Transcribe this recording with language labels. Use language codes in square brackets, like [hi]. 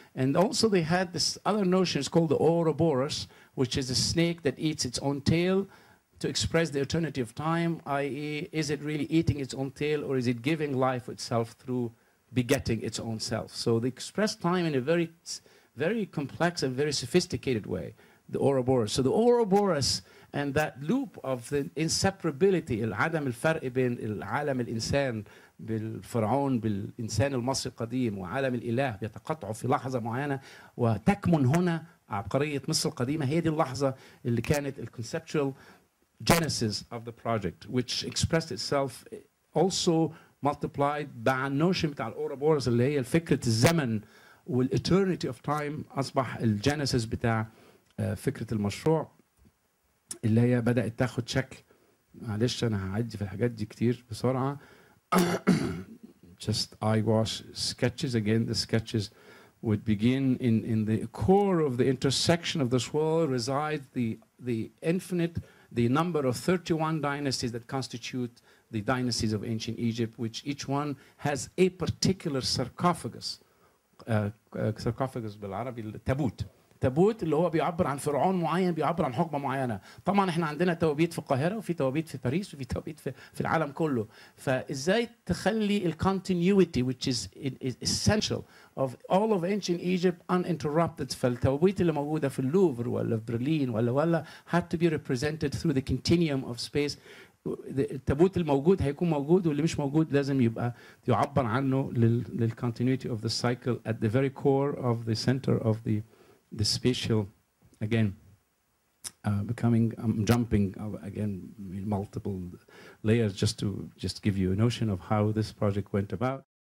[en] And also they had this other notion, it's called the Ouroboros, which is a snake that eats its own tail to express the eternity of time, i.e. is it really eating its own tail, or is it giving life itself through begetting its own self. So they express time in a very, very complex and very sophisticated way, the Ouroboros. So the Ouroboros and that loop of the inseparability, [ar] العدم الفرق بين العالم الإنسان بالفرعون بالإنسان المصري القديم وعالم الإله بيتقطع في لحظة معينة وتكمن هنا عبقرية مصر القديمة هي دي اللحظة اللي كانت [en] the conceptual genesis of the project, which expressed itself also multiplied by a notion [ar] بتاع الأوروبورس اللي هي الفكرة الزمن والإترنيتي [en] of time [ar] أصبح الجينيسيس بتاع فكرة المشروع اللي هي بدأت تاخد شكل. معلش أنا هعدي في الحاجات دي كتير بسرعة. [en] Just eyewash sketches again. The sketches would begin in the core of the intersection of this world resides the infinite, the number of 31 dynasties that constitute the dynasties of ancient Egypt, which each one has a particular sarcophagus. [ar] Sarcophagus بال عربي التابوت. تابوت اللي هو بيعبر عن فرعون معين بيعبر عن حقبة معينة. طبعا احنا عندنا توابيت في القاهرة وفي توابيت في باريس وفي توابيت في العالم كله. فازاي تخلي [en] ال continuity which is essential of all of ancient Egypt uninterrupted. [ar] فالتوابيت اللي موجودة في اللوفر ولا في برلين ولا [en] had to be represented through the continuum of space. [ar] التابوت الموجود هيكون موجود واللي مش موجود لازم يبقى يعبر عنه [en] لل continuity of the cycle at the very core of the center of the spatial, again, becoming, jumping again in multiple layers just to give you a notion of how this project went about.